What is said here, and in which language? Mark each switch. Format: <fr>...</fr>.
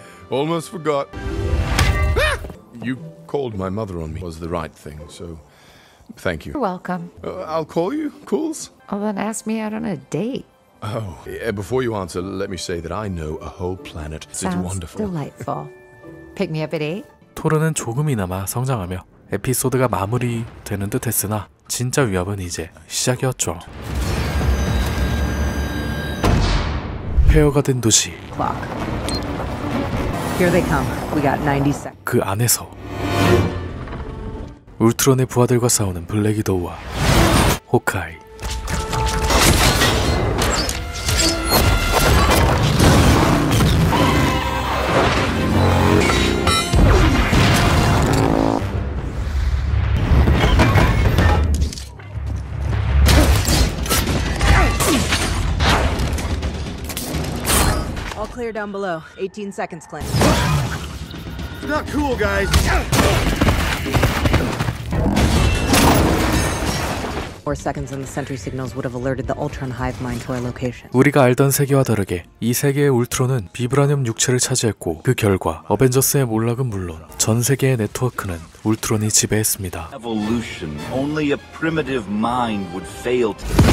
<en>Almost forgot. You called my mother on me. It was the right thing, so... Thank you. You're welcome. I'll call you, Cools. Well, then ask me out on a date. Oh, yeah, before you answer, let me say that I know a whole planet. Sounds it's wonderful. Delightful. Pick me up at 8.</en> <ko>토르는 조금이나마 성장하며 에피소드가 마무리되는 듯했으나 진짜 위협은 이제 시작이었죠. 폐허가 된 도시.</ko> <en>Clock. Here they come. We got 90 seconds.</en> <ko>그 안에서 울트론의 부하들과 싸우는 블랙 위도우와 호크아이.</ko> <en>All clear down below. 18 seconds, Clint. It's not cool, guys. Four seconds in the sentry signals would have alerted the Ultron hive mind to our location.</en> <ko>우리가 알던 세계와 다르게 이 세계의 울트론은 비브라늄 육체를 차지했고 그 결과 어벤져스의 몰락은 물론 전 세계의 네트워크는 울트론이 지배했습니다.</ko> <en>Evolution. Only a primitive mind would fail to.</en>